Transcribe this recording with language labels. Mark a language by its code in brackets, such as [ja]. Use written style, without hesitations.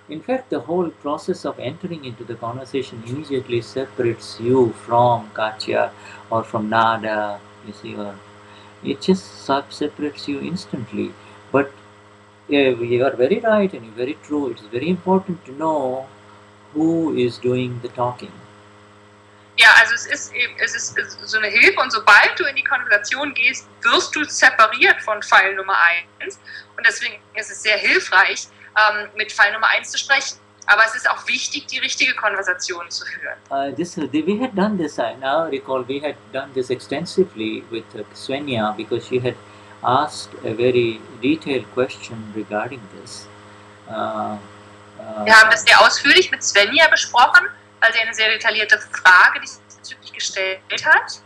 [en] In fact, the whole process of entering into the conversation immediately separates you from Katja or from Nada. You see, it just separates you instantly. But yeah, you are very right and very true. It is very important to know who is doing the talking. [de] Ja, also es ist so eine Hilfe, und sobald du in die Konversation gehst, wirst du separiert von Fall Nummer 1. Und deswegen ist es sehr hilfreich, mit Fall Nummer 1 zu sprechen. Aber es ist auch wichtig, die richtige Konversation zu führen. [en] We had done this extensively with Svenja, because she had asked a very detailed question regarding this. [de] Wir haben das sehr ausführlich mit Svenja besprochen, weil sie eine sehr detaillierte Frage diesbezüglich gestellt hat.